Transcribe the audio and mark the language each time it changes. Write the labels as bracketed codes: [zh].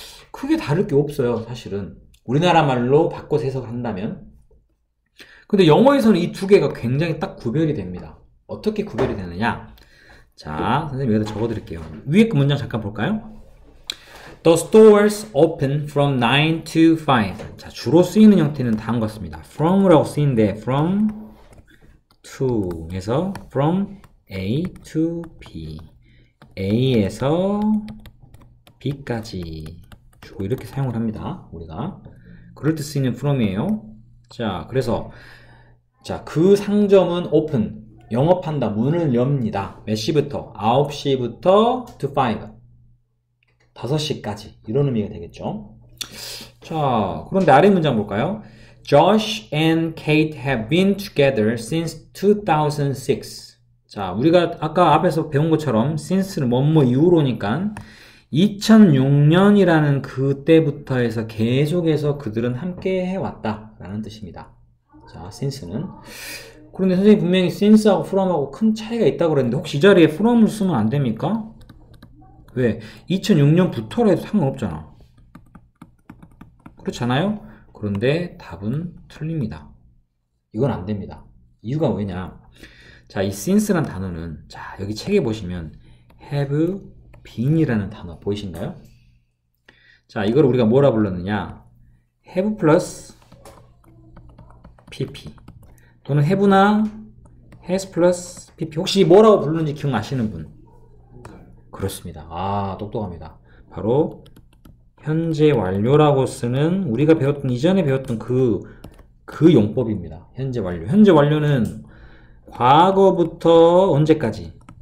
[ko] 크게 다를 게 없어요, 사실은. 우리나라 말로 바꿔 해석한다면. 근데 영어에서는 이두 개가 굉장히 딱 구별이 됩니다. 어떻게 구별이 되느냐? 자, 선생님 여기다 적어드릴게요. 위에 그 문장 잠깐 볼까요? [en] The stores open from 9 to 5. [ko] 자, 주로 쓰이는 형태는 다음과 같습니다. from라고 쓰이는데, from to 해서 [en] from A to B. [ko] A에서 B까지. 주로 이렇게 사용을 합니다. 우리가. 그럴 때 쓰이는 from이에요. 자, 그래서, 자, 그 상점은 open. 영업한다. 문을 엽니다. 몇 시부터? 9시부터 to 5. 5시까지 이런 의미가 되겠죠. 자, 그런데 아래 문장 볼까요? [en] Josh and Kate have been together since 2006. [ko] 자, 우리가 아까 앞에서 배운 것처럼 since는 뭐뭐 이후로니까 2006년이라는 그때부터 해서 계속해서 그들은 함께 해왔다라는 뜻입니다. 자, since는. 그런데 선생님 분명히 since하고 from하고 큰 차이가 있다고 그랬는데 혹시 이 자리에 from을 쓰면 안 됩니까? 왜? 2006년부터라 해도 상관없잖아. 그렇잖아요? 그런데 답은 틀립니다. 이건 안 됩니다. 이유가 뭐냐? 자, 이 since란 단어는, 자, 여기 책에 보시면, have been이라는 단어 보이신가요? 자, 이걸 우리가 뭐라 불렀느냐? [en] have plus pp. 또는 have나 has plus pp. [ko] 혹시 뭐라고 부르는지 기억나시는 분? 그렇습니다. 아, 똑똑합니다. 바로 현재 완료라고 쓰는 우리가 배웠던 이전에 배웠던 그 용법입니다. 현재 완료. 현재 완료는 과거부터 언제까지?